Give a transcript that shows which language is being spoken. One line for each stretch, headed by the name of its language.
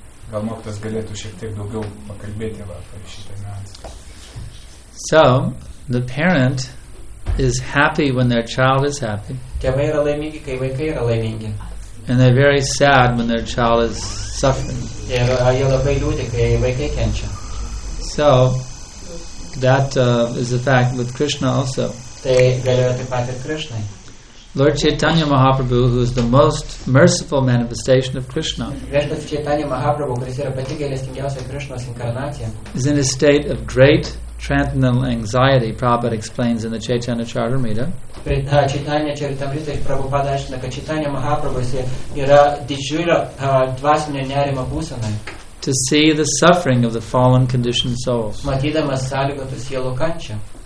Lithuanian: Gal mokytas galėtų šiek tiek daugiau pakalbėti apie šitą niuansą.
English: So, the parent is happy when their child is happy.
Lithuanian: Tėvai yra laimingi, kai vaikai yra laimingi.
English: And they're very sad when their child is suffering.
Lithuanian: Ir jie labai liūdi, kai vaikai kenčia.
English: So, that is a fact with Krishna also.
Lithuanian: Tai galioja taip pat ir Krishnai.
English: Lord Chaitanya Mahaprabhu, who is the most merciful manifestation of Krishna,
Lithuanian: Viešpats Chaitanya Mahaprabhu, kuris yra pati gailestingiausia Krishnos inkarnacija,
English: is in a state of great transcendental anxiety, Prabhupada explains in the Chaitanya Charitamrita.
Lithuanian: Chaitanya Charitamrita, Prabhupada aiškina, kad Chaitanya Mahaprabhu yra didžiulio dvasinio nerimo būsenoje.
English: To see the suffering of the fallen conditioned souls.
Lithuanian: Matydamas sąlygotų sielų kančią.